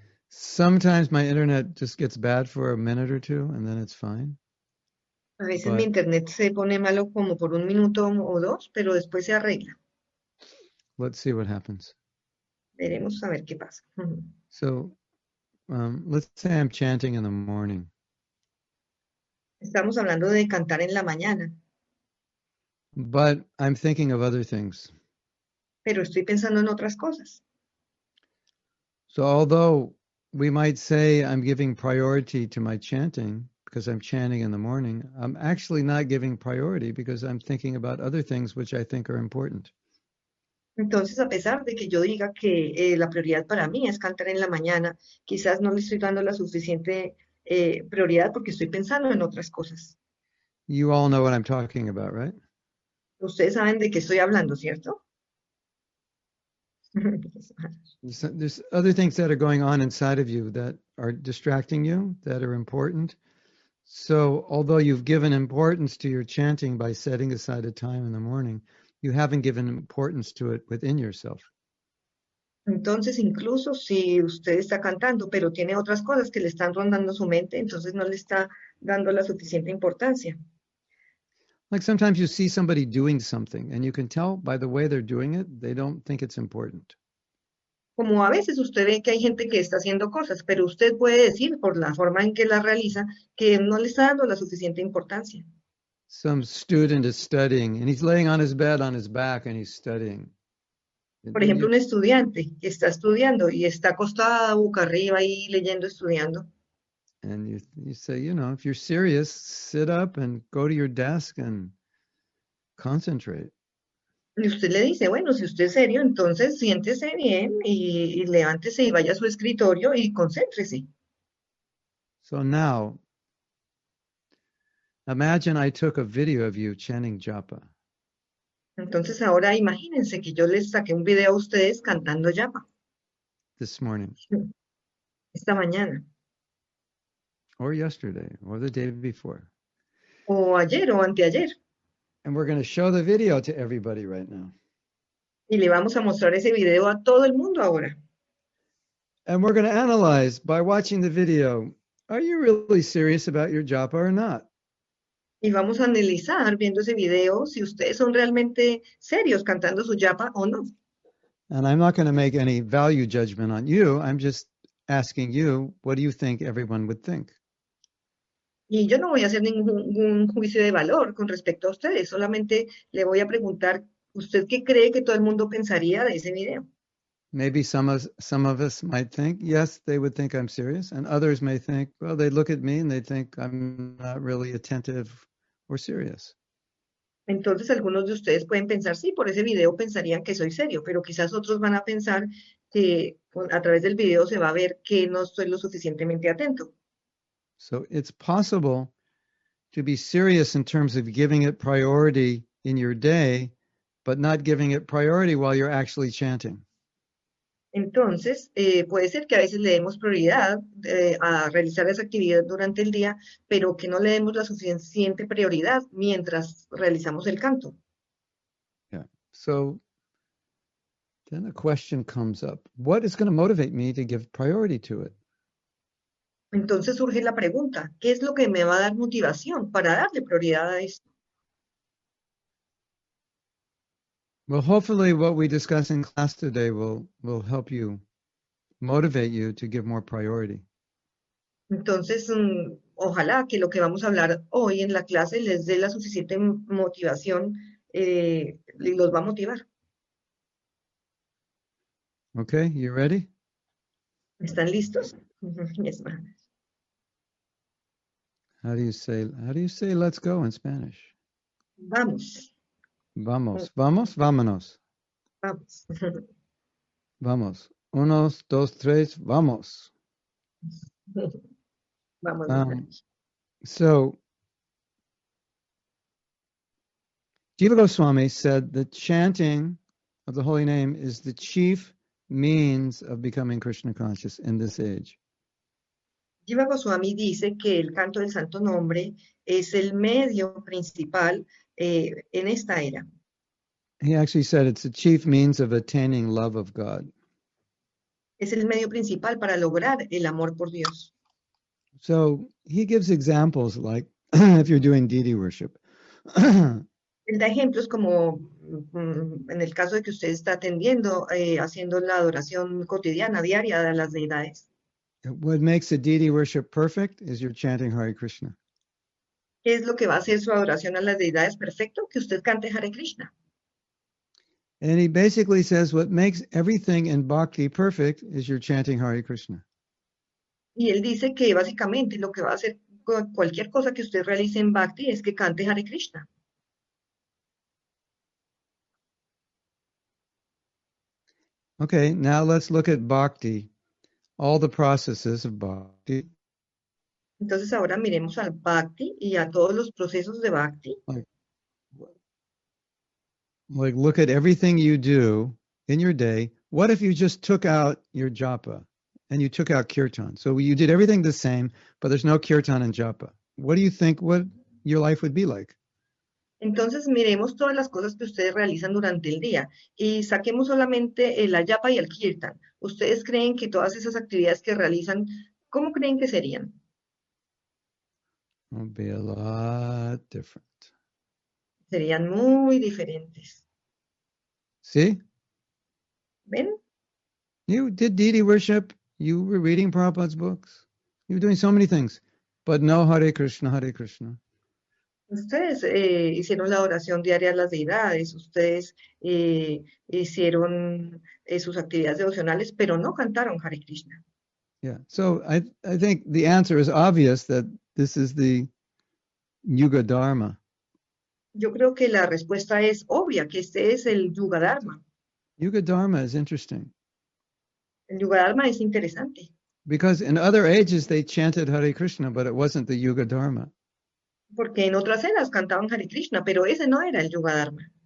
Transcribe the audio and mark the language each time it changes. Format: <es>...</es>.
<en>Sometimes my internet just gets bad for a minute or two, and then it's fine.</en> <es>A veces mi internet se pone malo como por un minuto o dos, pero después se arregla.</es> <en>Let's see what happens.</en> <es>Veremos a ver qué pasa.</es> <en>So, let's say I'm chanting in the morning.</en> <es>Estamos hablando de cantar en la mañana.</es> <en>But I'm thinking of other things.</en> <es>Pero estoy pensando en otras cosas.</es> <en>So, although we might say I'm giving priority to my chanting because I'm chanting in the morning. I'm actually not giving priority because I'm thinking about other things which I think are important.</en> <es>Entonces, a pesar de que yo diga que la prioridad para mí es cantar en la mañana, quizás no le estoy dando la suficiente prioridad porque estoy pensando en otras cosas.</es> <en>You all know what I'm talking about, right?</en> <es>Ustedes saben de qué estoy hablando, ¿cierto?</es> <en>There's other things that are going on inside of you that are distracting you, that are important. So although you've given importance to your chanting by setting aside a time in the morning, you haven't given importance to it within yourself.</en> <es>Entonces, incluso si usted está cantando, pero tiene otras cosas que le están rondando su mente, entonces no le está dando la suficiente importancia.</es> <en>Like sometimes you see somebody doing something and you can tell by the way they're doing it, they don't think it's important.</en> <es>Como a veces usted ve que hay gente que está haciendo cosas, pero usted puede decir por la forma en que la realiza que no le está dando la suficiente importancia.</es> <en>Some student is studying and he's laying on his bed on his back and he's studying.</en> <es>Por ejemplo, un estudiante que está estudiando y está acostado boca arriba y leyendo, estudiando.</es> <en>And you say, you know, if you're serious, sit up and go to your desk and concentrate.</en> <es>Y usted le dice, bueno, si usted es serio, entonces siéntese bien y levántese y vaya a su escritorio y concéntrese.</es> <en>So now, imagine I took a video of you chanting japa.</en> <es>Entonces ahora imagínense que yo les saqué un video a ustedes cantando japa.</es> <en>This morning.</en> <es>Esta mañana.</es> <en>Or yesterday, or the day before.</en> <es>O ayer o anteayer.</es> <en>And we're going to show the video to everybody right now.</en> <es>Y le vamos a mostrar ese video a todo el mundo ahora.</es> <en>And we're going to analyze by watching the video, are you really serious about your japa or not?</en> <es>Y vamos a analizar viendo ese video si ustedes son realmente serios cantando su japa o no.</es> <en>And I'm not going to make any value judgment on you. I'm just asking you, what do you think everyone would think?</en> <es>Y yo no voy a hacer ningún juicio de valor con respecto a ustedes. Solamente le voy a preguntar, ¿usted qué cree que todo el mundo pensaría de ese video?</es> <en>Maybe some of us might think, yes, they would think I'm serious. And others may think, well, they look at me and they think I'm not really attentive or serious.</en> <es>Entonces, algunos de ustedes pueden pensar, sí, por ese video pensarían que soy serio. Pero quizás otros van a pensar que a través del video se va a ver que no estoy lo suficientemente atento.</es> <en>So it's possible to be serious in terms of giving it priority in your day, but not giving it priority while you're actually chanting.</en> <es>Entonces, puede ser que a veces le demos prioridad a realizar esa actividad durante el día, pero que no le demos la suficiente prioridad mientras realizamos el canto.</es> <en>Yeah. So then a question comes up. What is going to motivate me to give priority to it?</en> <es>Entonces surge la pregunta, ¿qué es lo que me va a dar motivación para darle prioridad a esto?</es> <en>Well, hopefully what we discuss in class today will help you, motivate you to give more priority.</en> <es>Entonces, ojalá que lo que vamos a hablar hoy en la clase les dé la suficiente motivación y los va a motivar.</es> <en>Okay, you ready?</en> <es>¿Están listos?</es> <en>Yes, ma'am. How do you say let's go in Spanish?</en> <es>Vamos. Vamos. Vamos, vámonos. Vamos. Vamos. Unos, dos, tres, vamos. Vamos.</es> <en>So, Jiva Goswami said that chanting of the holy name is the chief means of becoming Krishna conscious in this age.</en> <es>Jiva Goswami dice que el canto del santo nombre es el medio principal en esta era.</es> <en>He actually said it's the chief means of attaining love of God.</en> <es>Es el medio principal para lograr el amor por Dios.</es> <en>So he gives examples like if you're doing deity worship.</en> <es>Él da ejemplos como en el caso de que usted está atendiendo, haciendo la adoración cotidiana, diaria de las deidades.</es> <en>What makes a deity worship perfect is you're chanting Hare Krishna.</en> <es>¿Qué es lo que va a hacer su adoración a las deidades perfecto? Que usted cante Hare Krishna.</es> <en>And he basically says what makes everything in bhakti perfect is you're chanting Hare Krishna.</en> <es>Y él dice que básicamente lo que va a hacer cualquier cosa que usted realice en bhakti es que cante Hare Krishna.</es> <en>Okay, now let's look at bhakti. All the processes of bhakti.</en> <es>Entonces ahora miremos al bhakti y a todos los procesos de bhakti.</es> <en>Like look at everything you do in your day. What if you just took out your japa and you took out kirtan? So you did everything the same, but there's no kirtan and japa. What do you think what your life would be like?</en> <es>Entonces miremos todas las cosas que ustedes realizan durante el día y saquemos solamente el ayapa y el kirtan. ¿Ustedes creen que todas esas actividades que realizan, cómo creen que serían?</es> <en>It would be a lot different.</en> <es>serían muy diferentes.</es> <en>See?</en> <es>¿Ven?</es> <en>You did deity worship. You were reading Prabhupada's books. You were doing so many things. But no Hare Krishna, Hare Krishna.</en> <es>Ustedes hicieron la oración diaria a las deidades. Ustedes hicieron sus actividades devocionales, pero no cantaron Hare Krishna.</es> <en>Yeah, so I think the answer is obvious that this is the Yuga Dharma.</en> <es>Yo creo que la respuesta es obvia, que este es el Yuga Dharma.</es> <en>Yuga Dharma is interesting.</en> <es>El Yuga Dharma es interesante.</es> <en>Because in other ages they chanted Hare Krishna, but it wasn't the Yuga Dharma.</en> <es>Porque en otras eras cantaban Hare Krishna, pero ese no era el Yuga Dharma.</es>